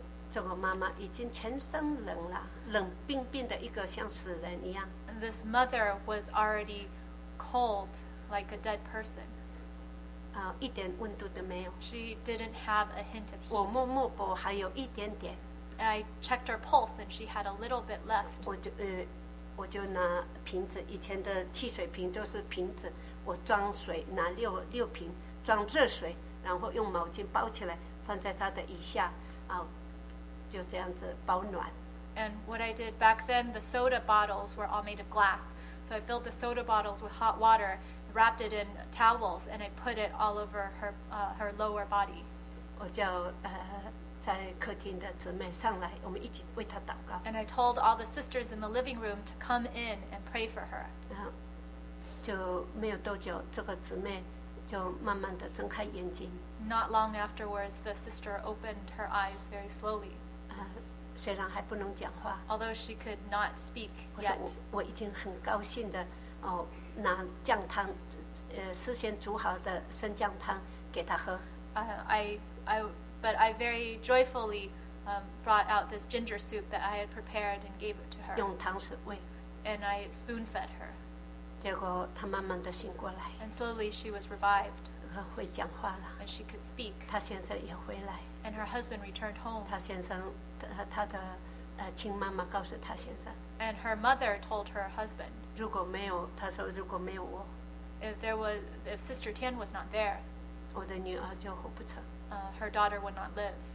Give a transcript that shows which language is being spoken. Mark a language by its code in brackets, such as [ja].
[zh] 这个妈妈已经全身冷了，冷冰冰的一个像死人一样。 [en] And this mother was already cold, like a dead person. [zh] 一点温度都没有。 [en] She didn't have a hint of heat. [zh] 我摸摸脖还有一点点。 [en] I checked her pulse and she had a little bit left. [zh] 我就拿瓶子，以前的汽水瓶都是瓶子，我装水，拿六瓶装热水，然后用毛巾包起来，放在她的腋下，就这样子保暖。 [en] And what I did back then, the soda bottles were all made of glass. So I filled the soda bottles with hot water, wrapped it in towels, and I put it all over her lower body. [zh] 我叫在客厅的姊妹上来，我们一起为她祷告。 [en] And I told all the sisters in the living room to come in and pray for her. [zh] 就没有多久，这个姊妹就慢慢的睁开眼睛。 [en] Not long afterwards, the sister opened her eyes very slowly. [zh] 虽然还不能讲话。 [en] Although she could not speak yet. [zh] 我已经很高兴的拿姜汤，事先煮好的生姜汤给她喝。 [en] But I very joyfully brought out this ginger soup that I had prepared and gave it to her. [zh] 用汤匙喂。 [en] And I spoon-fed her. [zh] 结果她慢慢地醒过来。 [en] And slowly she was revived. [zh] 会讲话了。 [en] And she could speak. [zh] 她先生也回来。 [en] And her husband returned home. [zh] 她先生，她的亲妈妈告诉她先生。 [en] And her mother told her husband. [zh] 如果没有，她说如果没有我。 [en] If Sister Tian was not there. [zh] 我的女儿就活不成。 [en] Her daughter would not live.